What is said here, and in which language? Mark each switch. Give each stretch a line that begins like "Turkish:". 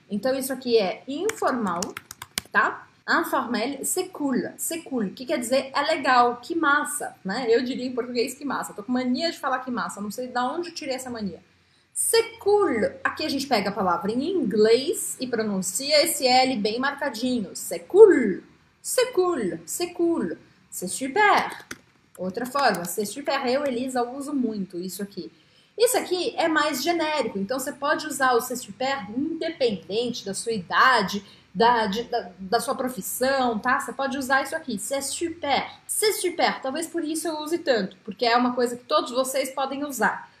Portuguese: Então, isso aqui é informal, tá?
French: Informel, c'est cool, c'est cool,
Portuguese: que quer dizer é legal, que massa, né? Eu diria em português que massa, tô com mania de falar que massa, não sei de onde eu tirei essa mania.
French: C'est cool,
Portuguese: aqui a gente pega a palavra em inglês e pronuncia esse L bem marcadinho.
French: C'est cool, c'est cool, c'est cool, c'est super.
Portuguese: Outra forma,
French: c'est super,
Portuguese: eu, Elisa, uso muito isso aqui. Isso aqui é mais genérico, então você pode usar o
French: c'est super
Portuguese: independente da sua idade. Da sua profissão, tá? Você pode usar isso aqui,
French: c'est super. C'est super,
Portuguese: talvez por isso eu use tanto, porque é uma coisa que todos vocês podem usar.